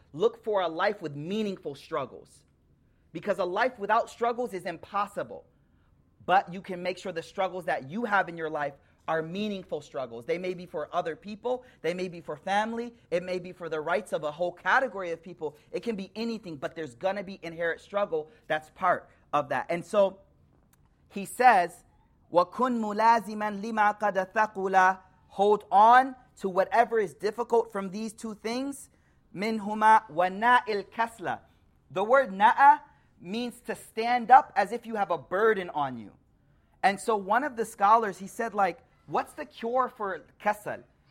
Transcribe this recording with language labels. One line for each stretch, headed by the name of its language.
English: Look for a life with meaningful struggles. Because a life without struggles is impossible. But you can make sure the struggles that you have in your life are meaningful struggles. They may be for other people. They may be for family. It may be for the rights of a whole category of people. It can be anything, but there's going to be inherent struggle that's part of that. And so he says,
Arabic: وَكُنْ مُلَازِمًا لِمَا قَدَ ثَقُلَ.
English: Hold on to whatever is difficult from these two things.
Arabic: مِنْهُمَا وَنَاءِ الْكَسْلَ.
English: The word na'a means to stand up as if you have a burden on you. And so one of the scholars, he said, like, what's the cure for kesel?